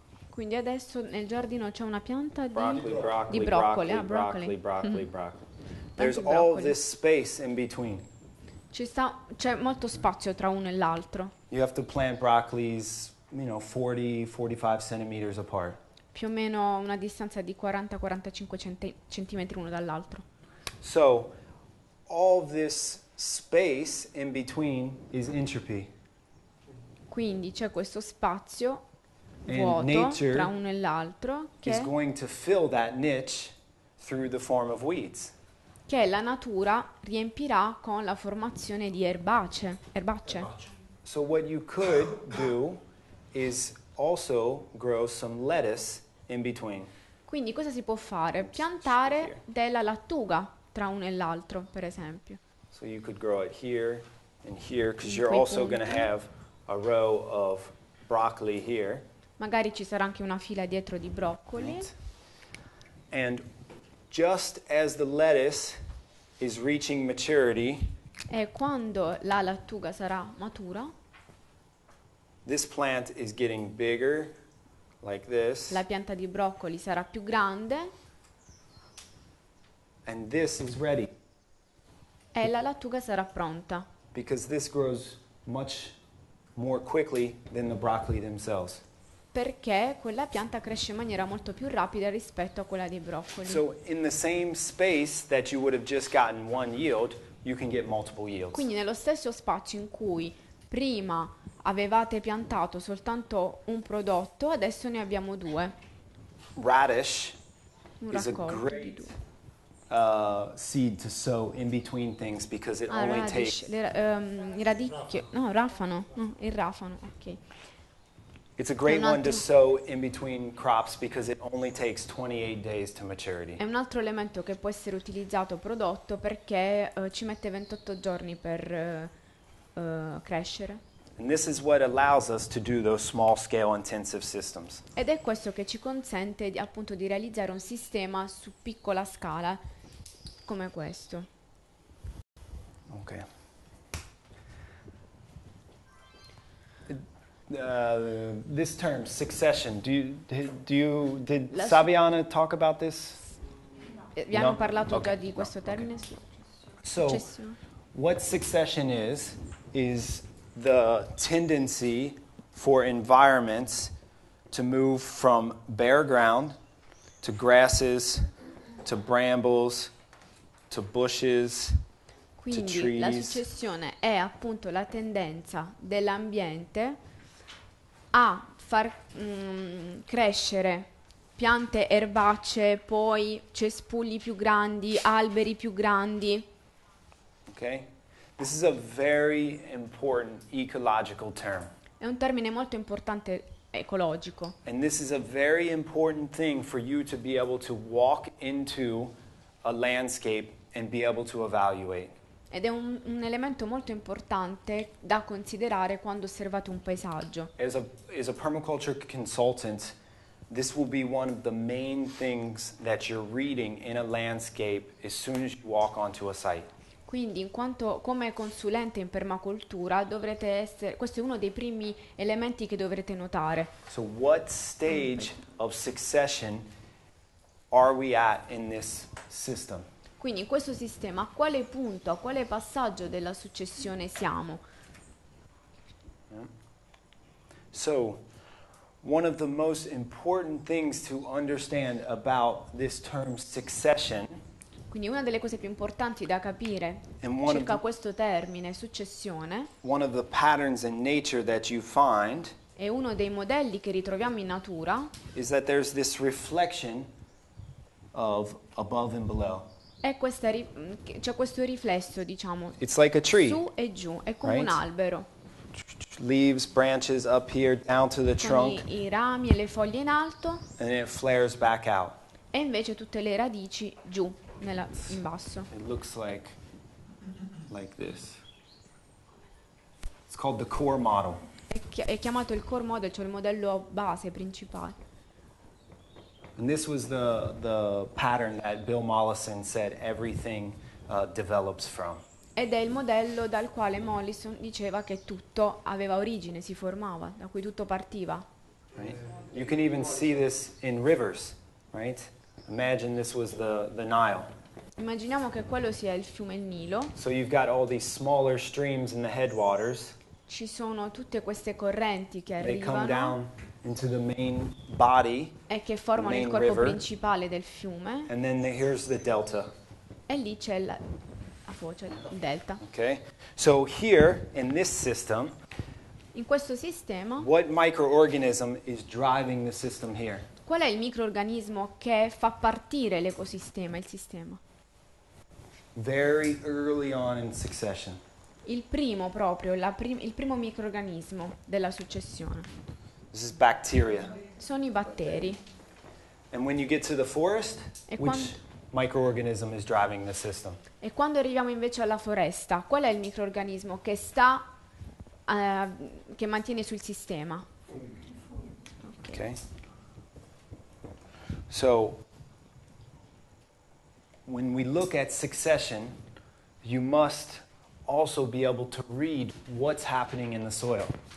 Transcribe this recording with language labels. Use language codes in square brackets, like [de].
[it] Quindi adesso nel giardino c'è una pianta di broccoli. [en] There's all this space in between. [it] c'è molto spazio tra uno e l'altro. [en] You have to plant broccolis, you know, 40, 45 centimeters apart. [it] Più o meno una distanza di 40-45 centimetri uno dall'altro. [en] So, all this space in between is entropy. [it] Quindi c'è questo spazio vuoto tra uno e l'altro che [en] is going to fill that niche through the form of weeds. [it] Che la natura riempirà con la formazione di erbacee. [en] So what you could do is also grow some lettuce in between. [it] Quindi cosa si può fare? Piantare della lattuga tra uno e l'altro, per esempio. [en] So you could grow it here and here because you're also going to have a row of broccoli here. [it] Magari ci sarà anche una fila dietro di broccoli. [en] And just as the lettuce is reaching maturity, [it] e quando la lattuga sarà matura, [en] this plant is getting bigger, like this. [it] La pianta di broccoli sarà più grande. [en] And this is ready. [it] E la lattuga sarà pronta. [en] Because this grows much more quickly than the broccoli themselves. [it] Perché quella pianta cresce in maniera molto più rapida rispetto a quella dei broccoli. [en] So in the same space that you would have just gotten one yield, you can get multiple yields. [it] Quindi nello stesso spazio in cui prima avevate piantato soltanto un prodotto, adesso ne abbiamo due. [en] Radish is a great seed to sow in between things because it only takes [it] il rafano, ok. [en] It's a great one to sow in between crops because it only takes 28 days to maturity. [it] È un altro elemento che può essere utilizzato prodotto perché ci mette 28 giorni per crescere. [en] And this is what allows us to do those small scale intensive systems. [it] Ed è questo che ci consente di, appunto, di realizzare un sistema su piccola scala come questo. Ok. [en] This term succession. Did Saviana talk about this? [it] Vi hanno parlato già di questo termine. Okay. [en] So, what succession is the tendency for environments to move from bare ground to grasses to brambles to bushes. [it] Quindi, [en] to trees. [it] La successione è appunto la tendenza dell'ambiente a far crescere piante erbacee, poi cespugli più grandi, alberi più grandi. [en] Okay. This is a very important ecological term. [it] È un termine molto importante ecologico. [en] And this is a very important thing for you to be able to walk into a landscape and be able to evaluate. [it] Ed è un elemento molto importante da considerare quando osservate un paesaggio. [en] As a permaculture consultant, this will be one of the main things that you're reading in a landscape as soon as you walk onto a site. [it] Quindi, in quanto come consulente in permacultura, dovrete essere questo è uno dei primi elementi che dovrete notare. [en] So what stage of succession are we at in this system? [it] Quindi in questo sistema a quale punto, a quale passaggio della successione siamo? [en] So, one of the most important things to understand about this term succession. [it] Quindi una delle cose più importanti da capire circa questo termine successione. [en] One of the patterns in nature that you find. [it] È uno dei modelli che ritroviamo in natura. [en] Is that there's this reflection of above and below. [it] C'è questo riflesso, diciamo, [en] it's like a tree, [it] su e giù, è come [en] right? [it] Un albero. [en] Leaves, branches up here, down to the trunk. [it] I rami e le foglie in alto. [en] And it flares back out. [it] E invece tutte le radici giù, in basso. [en] It looks like this. It's called the core model. [it] È chiamato il core model, cioè il modello base, principale. [en] And this was the pattern that Bill Mollison said everything develops from. [it] Ed è il modello dal quale Mollison diceva che tutto aveva origine, si formava, da cui tutto partiva. [en] Right? You can even see this in rivers, right? Imagine this was the Nile. [it] Immaginiamo che quello sia il fiume il Nilo. [en] So you've got all these smaller streams in the headwaters. [it] Ci sono tutte queste correnti che arrivano. [en] They come down into the main body. [it] E che formano il corpo principale del fiume. [en] And then here's the delta. [it] E lì c'è la foce, il delta. [en] Okay. So here in this system. [it] In questo sistema. [en] What microorganism is driving the system here? [it] Qual è il microorganismo che fa partire l'ecosistema, il sistema? [en] Very early on in succession. [it] Il primo proprio, il primo microorganismo della successione. [en] This is bacteria. [it] Sono i batteri. [en] And when you get to the forest, which microorganism is driving the system? [it] E quando arriviamo invece alla foresta, qual è il microorganismo che sta che mantiene sul sistema? Okay. [en] So, when we look at succession, you must also be able to read what's happening in the soil.